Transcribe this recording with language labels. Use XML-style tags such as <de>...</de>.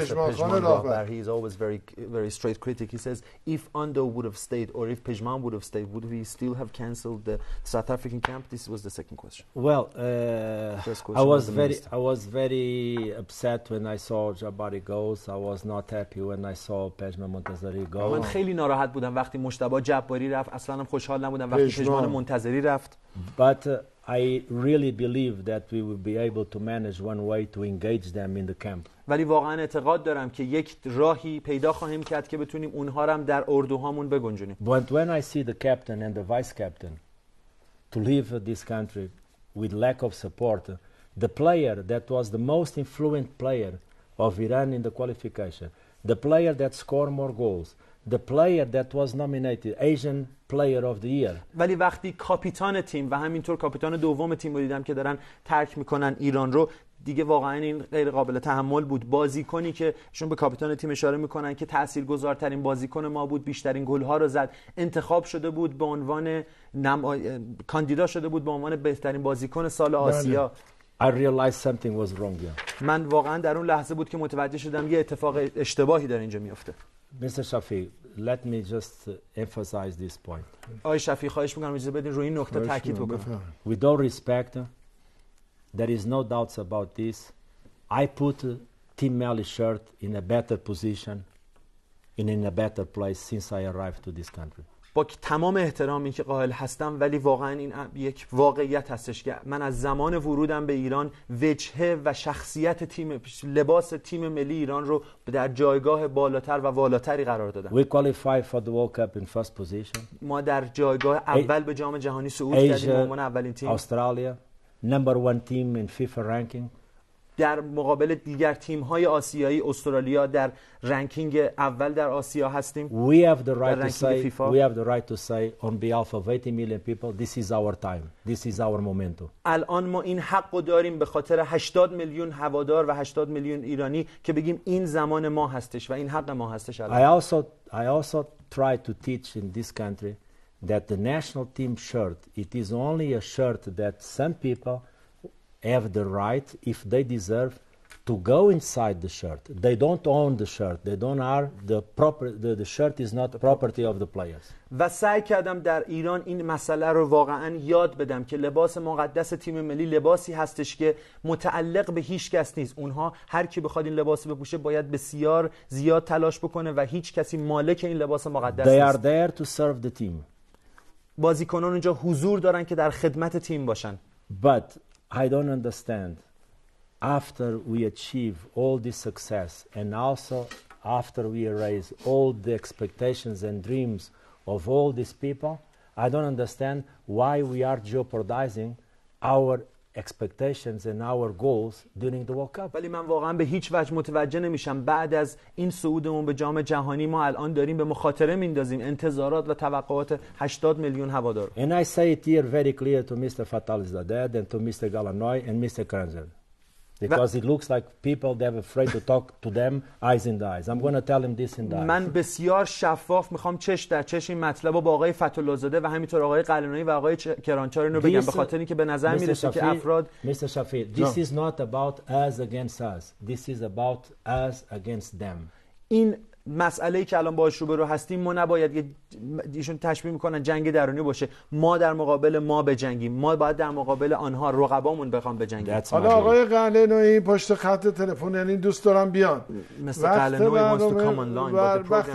<en>He's one of these old journalists, Pejman Rahbar. He's always very straight critic. He says, if Ando would have stayed or if Pejman would have stayed, would we still have cancelled the South African camp? This was the second question. Well, I was very upset when I saw Jabari goes. I was not happy when I saw Pejman Montazeri go.</en> <fa>من خیلی ناراحت بودم وقتی مشتبه جباری رفت. اصلا هم خوشحال نبودم وقتی Pejman Montazeri رفت.</fa> <en>But I really believe that we will be able to manage one way to engage them in the camp.</en> <fa>ولی واقعا اعتقاد دارم که یک راهی پیدا خواهیم کرد که بتونیم اونها را هم در اردوهامون بگنجونیم.</fa> <en>But when I see the captain and the vice captain to leave this country with lack of support, The player that was the most influential player of Iran in the qualification, the player that scored more goals, the player that was nominated Asian player of the year.</en> <fa>ولی وقتی کاپیتان تیم و همینطور کاپیتان دوم تیم رو دیدم که دارن ترک میکنن ایران رو، دیگه واقعا این غیر قابل تحمل بود. بازیکنی که شون به کاپیتان تیم اشاره میکنن که تاثیرگذارترین بازیکن ما بود، بیشترین گل‌ها رو زد، انتخاب شده بود به عنوان کاندیدا شده بود به عنوان بهترین بازیکن سال آسیا.</fa> <en>I realized something was wrong here.</en> <fa>من واقعا در اون لحظه بود که متوجه شدم یه اتفاق اشتباهی در اینجا میفته.</fa> <en>Mr. Shafiq, let me just emphasize this point.</en> <fa>آقای شفیق، خواهش می‌کنم اجازه بدین روی این نکته تاکید بکنم.</fa> <en>With all respect, there is no doubts about this. I put Team Mali shirt in a better position and in a better place since I arrived to this country.</en> <fa>با تمام احترامی که قائل هستم، ولی واقعا این یک واقعیت هستش که من از زمان ورودم به ایران وجهه و شخصیت تیم، لباس تیم ملی ایران رو در جایگاه بالاتر و والاتری قرار دادم.</fa> <en>We qualified for the World Cup in first position.</en> <fa>ما در جایگاه اول به جام جهانی صعود کردیم، اون اولین تیم.</fa> <en>Australia number 1 team in FIFA ranking.</en> <fa>در مقابل دیگر تیم‌های آسیایی، استرالیا در رنکینگ اول در آسیا هستیم.</fa> <en>We have the right to say FIFA. We have the right to say on behalf of 80 million people, this is our time. This is our momento.</en> <fa>الان ما این حق رو داریم به خاطر 80 میلیون هوادار و 80 میلیون ایرانی که بگیم این زمان ما هستش و این حق ما هستش الان.</fa> <en>I also try to teach in this country that the national team shirt, it is only a shirt that some people have the right, if they deserve, to go inside the shirt. They don't own the shirt. They don't are the proper. The shirt is not property of the players.</en> <fa>و سعی کردم در ایران این مسئله رو واقعا یاد بدم که لباس مقدس تیم ملی لباسی هستش که متعلق به هیچ کس نیست. اونها هر کی بخواد این لباس بپوشه باید بسیار زیاد تلاش بکنه و هیچ کسی مالک این لباس مقدس</fa> <en>they</en> <fa>نیست.</fa> <en>They are there to serve the team.</en> <fa>بازیکنان اونجا حضور دارن که در خدمت تیم باشن.</fa> <en>But I don't understand. After we achieve all this success and also after we erase all the expectations and dreams of all these people, I don't understand why we are jeopardizing our expectations and our goals during the World Cup.</en> <fa>ولی من واقعا به هیچ وجه متوجه نمیشم بعد از این صعودمون به جام جهانی ما الان داریم به مخاطره میندازیم انتظارات و توقعات 80 میلیون هوادار.</fa> <en>And I say it here very clear to Mr. Fatalizadeh and to Mr. Galanoy and Mr. Kranzer. Because it looks like people they are afraid to talk to them eyes in the eyes. I'm going to tell them this in the eyes.</en> <fa>من بسیار شفاف میخوام چش در چش این مطلب با آقای فتح‌الله‌زاده و همینطور آقای قلعه‌نویی و آقای کرانچار اینو بگم به خاطر اینکه به نظر میرسه که افراد</fa> <en>Mr. Shafiq, this is not about us against us. This is about us against them.</en> <fa>این مسئله‌ای که الان باهاش روبرو هستیم ما نباید که ایشون تشبیه میکنن جنگ درونی باشه. ما در مقابل ما بجنگیم، ما باید در مقابل آنها رقبامون بخوام بجنگیم. حالا آقای قلعه‌نویی این پشت خط تلفن، یعنی دوست دارم بیان.</fa> <en>mister Ghalenoei مست common line</en> <fa>با</fa>